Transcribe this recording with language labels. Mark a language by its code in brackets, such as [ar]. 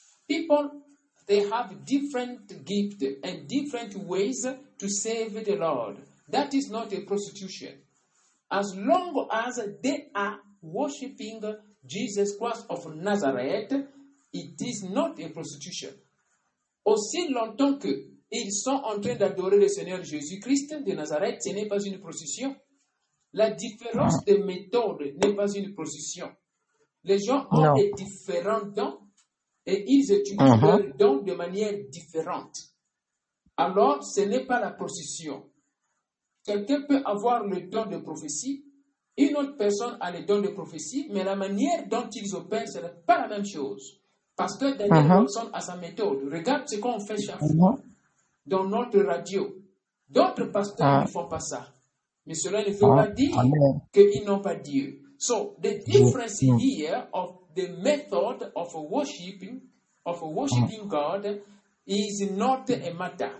[en] People, they have different gifts and different ways to serve the Lord. That is not a prostitution. As long as they are worshiping Jesus Christ of Nazareth, it is not a prostitution. [fr] Aussi longtemps qu'ils sont en train d'adorer le Seigneur Jésus-Christ de Nazareth, ce n'est pas une prostitution. La différence de méthode n'est pas une prostitution. Les gens ont des différents dons et ils utilisent leurs dons de manière différente. Alors, ce n'est pas la prostitution. Quelqu'un peut avoir le don de prophétie, une autre personne a le don de prophétie, mais la manière dont ils opèrent, ce n'est pas la même chose. Parce que Daniel Johnson a sa méthode. Regarde ce qu'on fait chaque fois dans notre radio. D'autres pasteurs ne font pas ça. Mais cela ne veut pas dire qu'ils n'ont pas Dieu. [en] So, the difference here of the method of worshiping God is not a matter.